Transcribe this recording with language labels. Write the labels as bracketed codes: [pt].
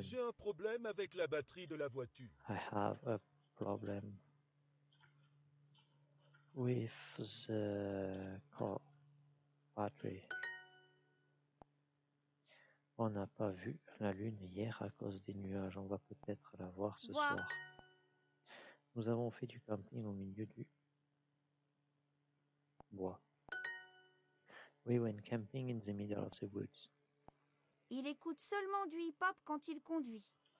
[fr] J'ai un problème avec la batterie de la voiture. [en] I have a problem with the car battery. [fr] On n'a pas vu la lune hier à cause des nuages. On va peut-être la voir ce soir. Nous avons fait du camping au milieu du bois. [en] We went camping in the middle of the woods. [fr] Il écoute seulement du hip-hop quand il conduit.